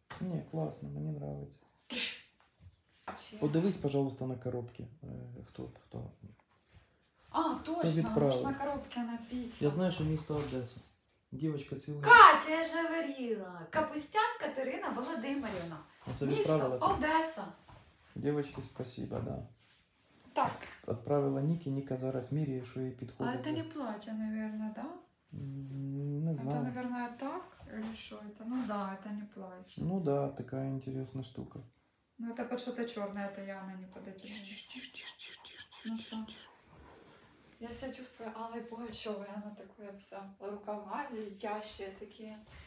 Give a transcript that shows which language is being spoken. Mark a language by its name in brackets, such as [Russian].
[Russian] Не, классно, мне нравится. [Ukrainian] Подивись, [Russian] пожалуйста, на коробке. Кто? А, точно, уж на коробке написано. Я знаю, что место Одесса. Девочка целая. Катя, я же говорила. [Ukrainian] Капустян Катерина Володимирівна. Місто Одеса. [Russian] Девочки, спасибо, да. Так. [Ukrainian] Отправила Ніки. Ніка зараз міряє, що їй підходить. [Russian] А это не платье, наверное, да? Не знаю. Это, наверное, так? Или что это? Ну да, это не платье. Ну да, такая интересная штука. Ну это под что-то черное, это явно не подойдет. Тише. Ну что? Я себя чувствую Аллой Пугачёвой, она такая вся, рукава летящие такие.